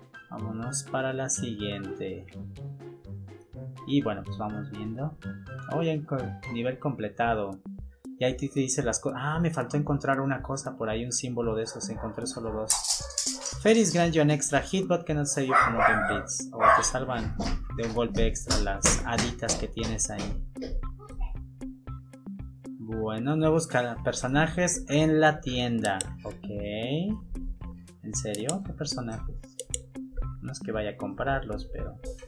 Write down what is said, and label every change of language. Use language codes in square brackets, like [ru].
[es] Vámonos para la siguiente. Y bueno, pues vamos viendo. Oh, ya nivel completado. Y ahí te dice las cosas. Ah, me faltó encontrar una cosa por ahí, un símbolo de esos. Encontré solo dos. [en] Fairies grant you an extra hit, but cannot save you from open pits. [es] O te salvan de un golpe extra las haditas que tienes ahí. Bueno, nuevos personajes en la tienda. Ok. ¿En serio? ¿Qué personajes? No es que vaya a comprarlos, pero...